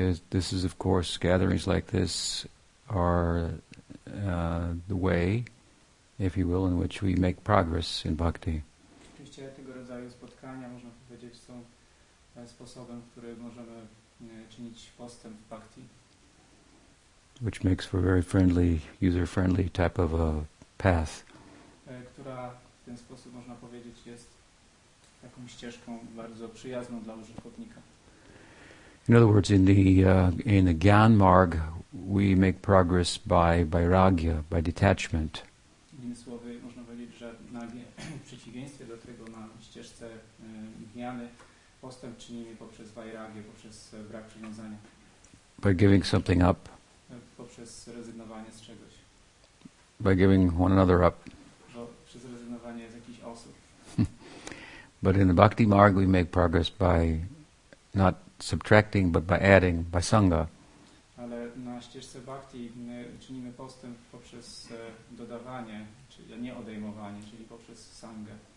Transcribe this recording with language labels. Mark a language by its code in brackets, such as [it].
[en] This is, of course, gatherings like this are the way, if you will, in which we make progress in bhakti. [pl] Oczywiście tego rodzaju spotkania, można powiedzieć, są sposobem, w który możemy czynić postęp w bhakti. [en] Which makes for a very friendly, user-friendly type of a path. [pl] Która w ten sposób, można powiedzieć, jest taką ścieżką bardzo przyjazną dla użytkownika. [en] In other words, in the Gyan Marg, we make progress by vairagya, by detachment. [pl] Innymi słowy, można powiedzieć, że w przeciwieństwie do tego na ścieżce Gyany, postęp czynimy poprzez vairagya, poprzez brak przywiązania. [en] By giving something up. [pl] Poprzez rezygnowanie z czegoś. [en] By giving one another up. [pl] Przez rezygnowanie z jakichś osób. [en] But in the Bhakti Marg we make progress by not subtracting, but by adding, by Sangha. [pl] Ale na ścieżce Bhakti czynimy postęp poprzez dodawanie, czyli nie odejmowanie, czyli poprzez Sangha.